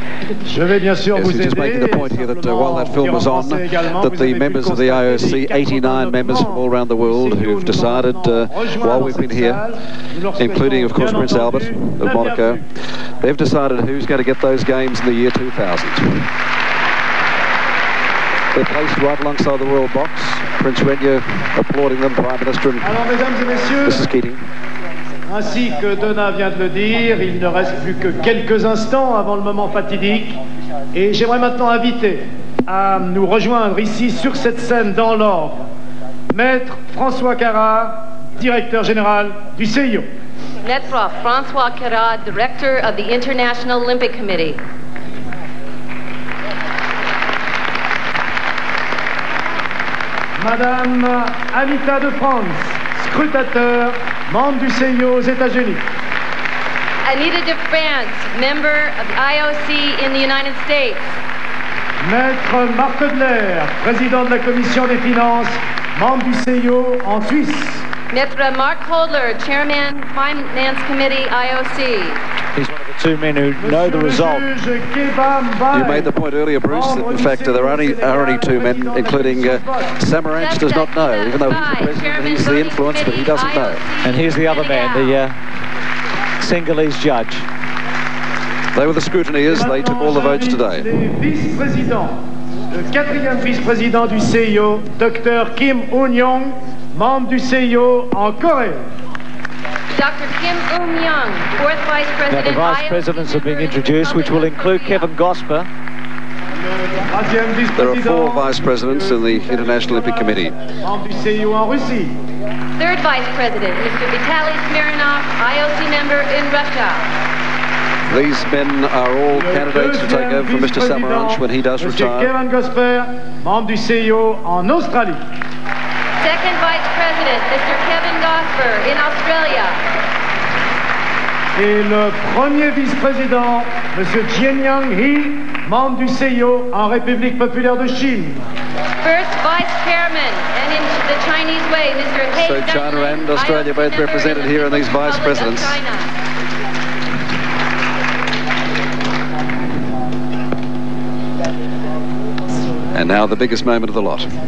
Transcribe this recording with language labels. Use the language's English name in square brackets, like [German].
[English] Yes, he's just making the point here that while that film was on, that the members of the IOC, 89 members from all around the world who've decided while we've been here, including, of course, Prince Albert of Monaco, they've decided who's going to get those games in the year 2000. They're placed right alongside the Royal Box, Prince Renier applauding them, Prime Minister and Mrs. Keating. [French] Ainsi que Donna vient de le dire, il ne reste plus que quelques instants avant le moment fatidique. Et j'aimerais maintenant inviter à nous rejoindre ici sur cette scène dans l'ordre, Maître François Carrard, directeur général du CIO. [English] Maître François Carrard, directeur of the International Olympic Committee. [French] Madame Anita de France, scrutateur. Membre du CIO aux États-Unis. [English] Anita de France, member of the IOC in the United States. [French] Maître Marc Odler, président de la Commission des Finances, membre du CIO en Suisse. [English] Maître Marc Odler, chairman, Finance Committee, IOC. Two men who know the result. You made the point earlier, Bruce, that in fact there are only two men, including Samaranch does not know, even though he's the president, he's the influence, but he doesn't know. And here's the other man, the Senegalese judge. They were the scrutineers, they took all the votes today. [French] Le quatrième vice-président du CIO, Dr. Kim Un-young, membre du CIO en Corée. [English] Dr. Kim Un-young, fourth vice-president. Now the vice-presidents are being introduced, which will include Kevin Gosper. There are four vice-presidents in the International Olympic Committee. Third vice-president, Mr. Vitaly Smirnov, IOC member in Russia. These men are all candidates to take over for Mr. Samaranch when he does retire. [French] Kevin Gosper, membre du CIO en Australie. [English] Second Vice President, Mr. Kevin Gosper, in Australia. [French] Et le premier vice-président, M. Jianyang He, membre du CIO en République populaire de Chine. [English] First Vice Chairman, and in the Chinese way, Mr. He. So China and Australia both represented here in these vice presidents. And now the biggest moment of the lot.